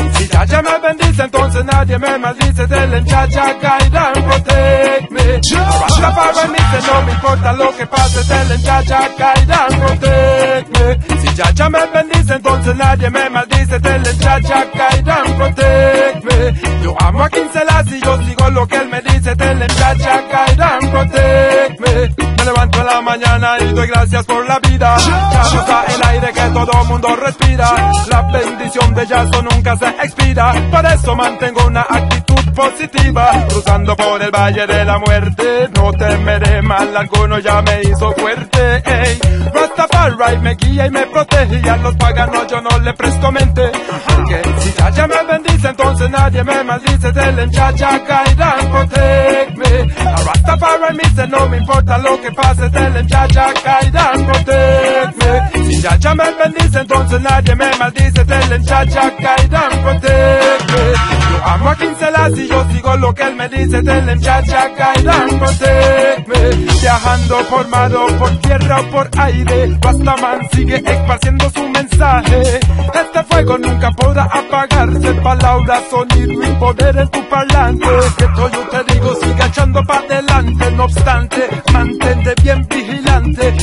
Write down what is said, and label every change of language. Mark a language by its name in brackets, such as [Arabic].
[Spanish] Si Jah Jah me bendice, entonces nadie me maldice. [English] Tell them Jah Jah guide and protect me. [Spanish] Rastafaba me say no me importa lo que pase. [English] Tell them Jah Jah guide and protect me. [Spanish] Si Jah Jah me bendice, entonces nadie me maldice. [English] Tell them Jah Jah guide and protect me. [Spanish] Yo amo a King Selassie, yo sigo lo que él me dice. [English] Tell them Jah Jah guide and protect me. [Spanish] Me levanto en la mañana y doy gracias por la vida. Jah Jah está el aire que todo mundo respira. La bendición de Jah Sun nunca se expira. Por eso mantengo una actitud positiva. Cruzando por el valle de la muerte, no temeré mal alguno, ya me hizo fuerte. Hey. Rastafari me guía y me protege. Y a los paganos yo no le presto mente. Porque si Jah Jah me bendice, entonces nadie me maldice. [English] Tell them Jah Jah guide and protect me. [Spanish] A Rastafari me dice no me importa lo que pase. [English] Tell them Jah Jah guide and protect me. [Spanish] Si Jah Jah me bendice, entonces nadie me maldice. [English] Tell them Jah Jah guide and protect me. [Spanish] Yo amo a King Selassie, yo sigo lo que él me dice. [English] Tell them Jah Jah guide and protect me. [Spanish] Viajando por mar o por tierra o por aire, Rastaman sigue esparciendo su mensaje. Este fuego nunca podrá apagarse. Palabra, sonido y poder en tu parlante. Que todo yo te digo, sigue echando para adelante. No obstante, mantente bien vigilante.